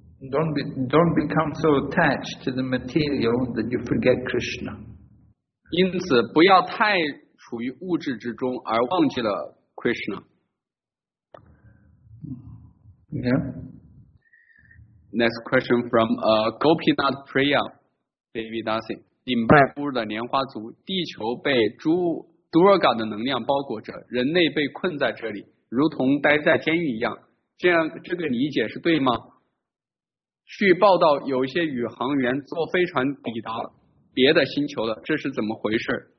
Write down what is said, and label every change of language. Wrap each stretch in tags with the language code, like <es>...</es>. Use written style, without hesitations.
<en>Don't become so attached to the material that you forget Krishna.</en> <zh>因此，不要太处于物质之中而忘记了 Krishna.</zh> <en>Yeah. Next question from Gopinath Priya, Devi Dasi.</en> <zh>顶拜夫的莲花族，地球被诸 Durga 的能量包裹着，人类被困在这里，如同待在监狱一样。这样，这个理解是对吗？据报道，有些宇航员坐飞船抵达别的星球了，这是怎么回事？</zh>